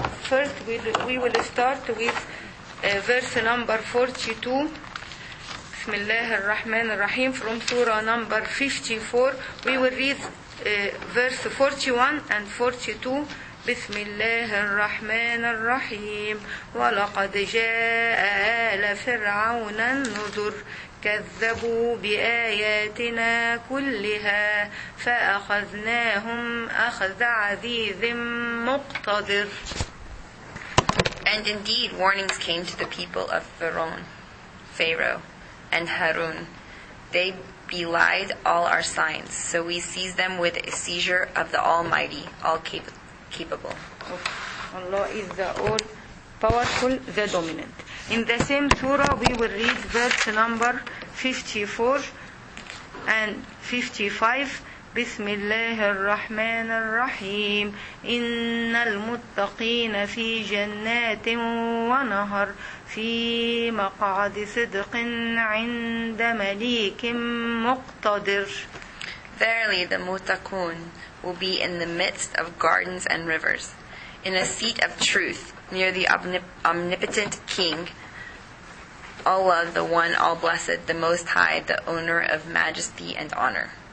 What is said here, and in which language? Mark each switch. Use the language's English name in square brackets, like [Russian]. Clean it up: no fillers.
[English] First, we will start with verse number 42. [Arabic] بسم الله الرحمن الرحيم. [English] From Surah number 54, we will read verse 41 and 42. [Arabic] بسم الله الرحمن الرحيم. ولقد جاء آل فرعون النذر كذبوا بآياتنا كلها فأخذناهم أخذ عزيز مقتدر. [English] And indeed, warnings came to the people of Pharaoh and Harun. They belied all our signs, so we seized them with a seizure of the Almighty, all capable. Allah is the all powerful, the dominant. In the same surah, we will read verse number 54 and 55. [Arabic] بسم الله الرحمن الرحيم إن المتقين في جنات ونهر في مقعد صدق عند مليك مقتدر. [English] Verily the muttaqun will be in the midst of gardens and rivers, in a seat of truth near the omnipotent king, Allah the one all blessed, the most high, the owner of majesty and honor.